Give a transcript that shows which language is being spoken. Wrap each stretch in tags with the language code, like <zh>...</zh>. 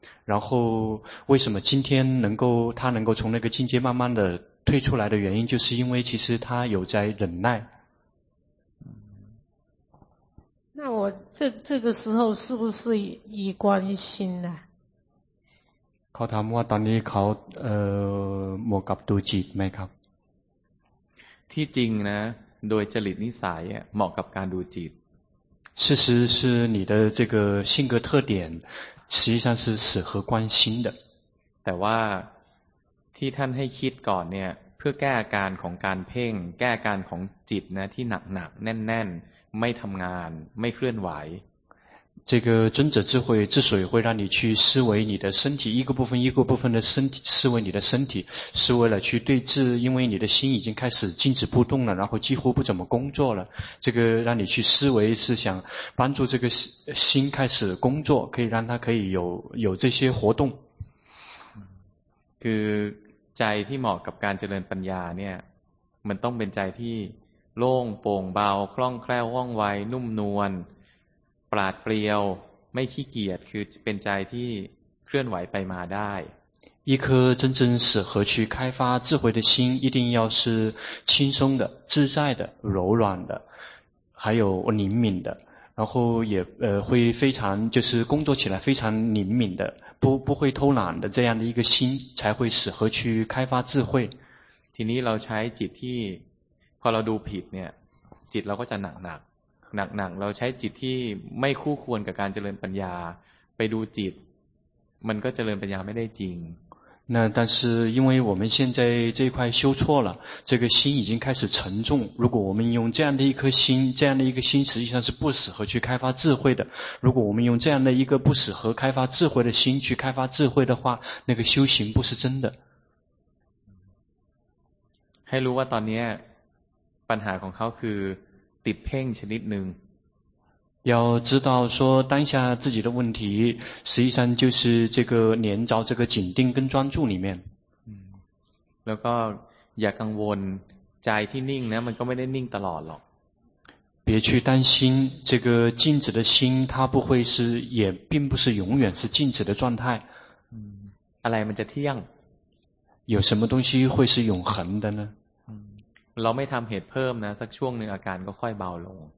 <zh>然后为什么今天他能够从那个境界慢慢的退出来的原因，就是因为其实他有在忍耐。那我这个时候是不是以关心呢？</zh> <th>เขาถามว่าตอนนี้เขาหมกกับตัวจิตไหมครับ ที่จริงนะโดยจริตนิสัยเหมาะกับการดูจิต</th> <zh>事实是你的这个性格特点实际上是适合关心的</zh> <th>แต่ว่าที่ท่านให้คิดก่อนเนี่ยเพื่อแก้อาการของการเพ่งแก้อาการของจิตนะที่หนักหนักแน่นๆไม่ทำงานไม่เคลื่อนไหว</th> <zh>这个尊者智慧之所以会让你去思维你的身体一个部分一个部分的身体思维你的身体是为了去对治因为你的心已经开始静止不动了然后几乎不怎么工作了这个让你去思维是想帮助这个心开始工作可以让它可以有这些活动</zh> <th>คือใจที่เหมาะกับการเจริญปัญญาเนี่ยมันต้องเป็นใจที่โล่งโปร่งเบาคล่องแคล่วว่องไวนุ่มนวลปราดเปรียวไม่ขี้เกียจคือเป็นใจที่เคลื่อนไหวไปมาได้</th> <zh>一颗真正适合去开发智慧的心一定要是轻松的自在的柔软的还有灵敏的然后也会非常就是工作起来非常灵敏的不会偷懒的这样的一个心才会适合去开发智慧</zh> <th>ทีนี้เราใช้จิตที่พอเราดูผิดเนี่ยจิตเราก็จะหนักเราใช้จิตที่ไม่คู่ควรกับการเจริญปัญญาไปดูจิตมันก็เจริญปัญญาไม่ได้จริง</th> <zh>那但是因为我们现在这一块修错了这个心已经开始沉重如果我们用这样的一颗心这样的一个心实际上是不适合去开发智慧的如果我们用这样的一个不适合开发智慧的心去开发智慧的话那个修行不是真的</zh> <th>ให้รู้ว่าตอนนี้ปัญหาของเขาคือติดเพ่งชนิดหนึ่ง</th> <zh>要知道说当下自己的问题实际上就是这个连着这个紧盯跟专注里面</zh> <th>แล้วก็อย่ากังวลใจที่นิ่งนะมันก็ไม่ได้นิ่งตลอดหรอก</th> <zh>别去担心这个静止的心它不会是也并不是永远是静止的状态</zh> <th>อะไรมันจะเที่ยง</th> <zh>有什么东西会是永恒的呢</zh> <th>เราไม่ทำเหตุเพิ่มนะสักช่วงหนึ่งอาการก็ค่อยเบาลง</th>